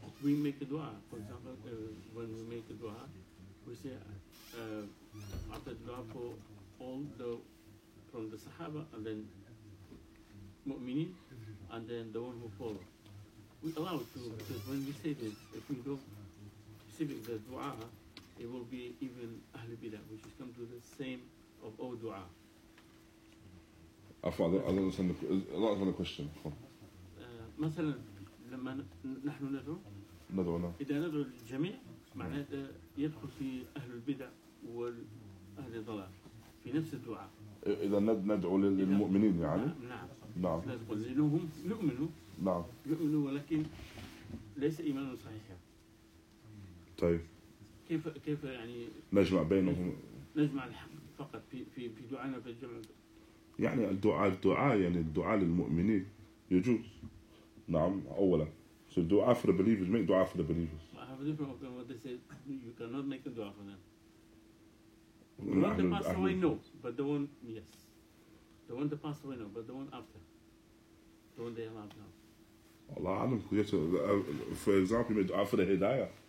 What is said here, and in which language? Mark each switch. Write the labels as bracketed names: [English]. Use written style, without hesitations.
[English] If we make a dua, for example, when we make a dua, we say after dua for all the from the Sahaba and then Mu'mini and then the one who follow. We allow it to, because when we say this, if we go specific the dua, it will be even Ahlul Bidah, which is come to the same of all dua. I don't understand the question. [Arabic] مثلا لما نحن ندعو إذا ندعو الجميع معناته يدخل في أهل البدع والأهل الضلال في نفس الدعاء. إذا ندعو للمؤمنين يعني؟ نعم. لأنهم يؤمنوا. نعم. يؤمنوا ولكن ليس إيمانا صحيحا. طيب. كيف يعني؟ نجمع بينهم. نجمع الحق فقط في دعائنا في الجمع. يعني الدعاء للمؤمنين يجوز. نعم أولا. [English] So dua for the believers, make dua for the believers. I have a different opinion what they say. You cannot make a dua for them. The one that passed away, no. But the one after. The one they allowed now. Allah, I don't forget. For example, you make dua for the hidayah.